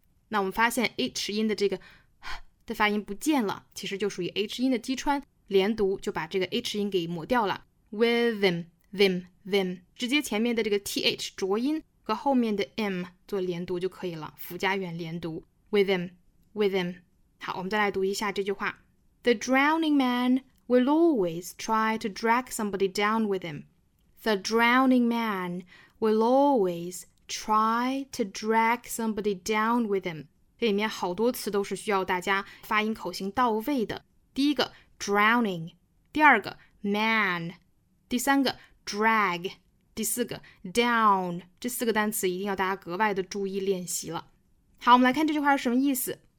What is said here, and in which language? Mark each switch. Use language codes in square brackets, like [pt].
[zh] 那我们发现 H 音的这个的发音不见了，其实就属于 H 音的击穿，连读就把这个 H 音给抹掉了。 [en] With them, [zh] 直接前面的这个 TH 浊音和后面的 M 做连读就可以了，辅加元连读。 [en] With them. [zh] 好，我们再来读一下这句话。 [en] The drowning man will always try to drag somebody down with him. The drowning man will always try to drag somebody down with him. [zh] 这里面好多词都是需要大家发音口型到位的。第一个 drowning， 第二个 man， 第三个 drag， 第四个 down， 这四个单词一定要大家格外的注意练习了。好，我们来看这句话是什么意思。